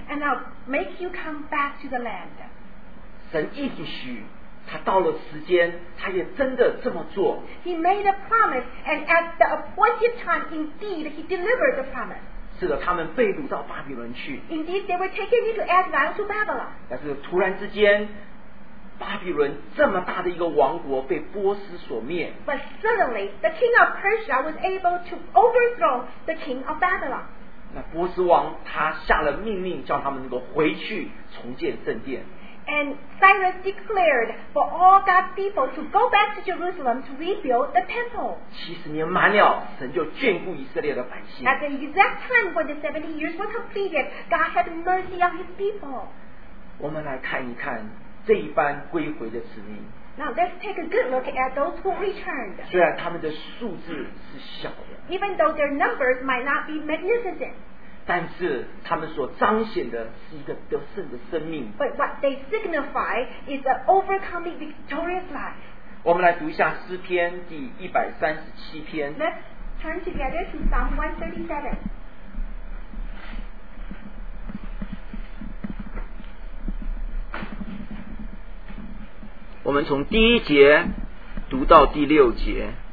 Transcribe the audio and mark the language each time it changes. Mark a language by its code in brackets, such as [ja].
[en] And I'll make you come back to the land. [zh] 神应许，他到了时间，他也真的这么做。 [en] He made a promise, and at the appointed time, indeed, he delivered the promise. [zh] 是的，他们被掳到巴比伦去。 [en] Indeed, they were taken into exile to Babylon. [zh] 但是突然之间，巴比伦这么大的一个王国被波斯所灭。 [en] But suddenly, the king of Persia was able to overthrow the king of Babylon. [zh] 那波斯王他下了命令，叫他们能够回去重建圣殿。 [en] And Cyrus declared for all God's people to go back to Jerusalem to rebuild the temple. [zh] 70年满了，神就眷顾以色列的百姓。 [en] At the exact time when the 70 years were completed, God had mercy on his people. [zh] 我们来看一看这一班归回的子民。 [en] Now let's take a good look at those who returned. [zh] 虽然他们的数字是小的。 [en] Even though their numbers might not be magnificent. [zh] 但是他们所彰显的是一个得胜的生命。 [en] But what they signify is an overcoming victorious life. [zh] 我们来读一下诗篇第137篇。 [en] Let's turn together to Psalm 137. [zh] 我们从第一节读到第六节。